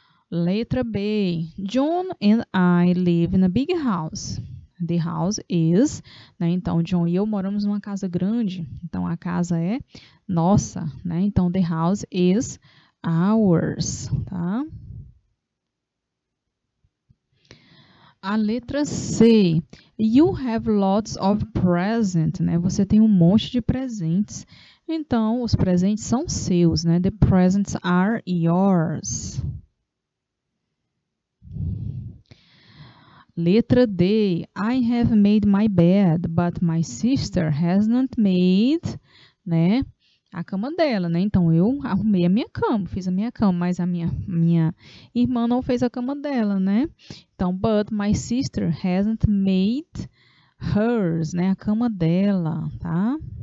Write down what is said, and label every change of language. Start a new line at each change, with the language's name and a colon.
Portuguese: Letra B,
English: John and I live in a big house. The house is, né?
Portuguese: Então, John e eu moramos numa casa grande. Então, a casa é nossa, né? Então,
English: the house is ours,
Portuguese: tá? A letra C,
English: you have lots of presents, né?
Portuguese: Você tem um monte de presentes. Então, os presentes são seus, né?
English: The presents are yours.
Portuguese: Letra D,
English: I have made my bed, but my sister has not made, né,
Portuguese: a cama dela,
English: né?
Portuguese: Então, eu arrumei a minha cama, fiz a minha cama, mas a minha irmã não fez a cama dela, né?
English: Então, but my sister hasn't made hers, né,
Portuguese: a cama dela, tá?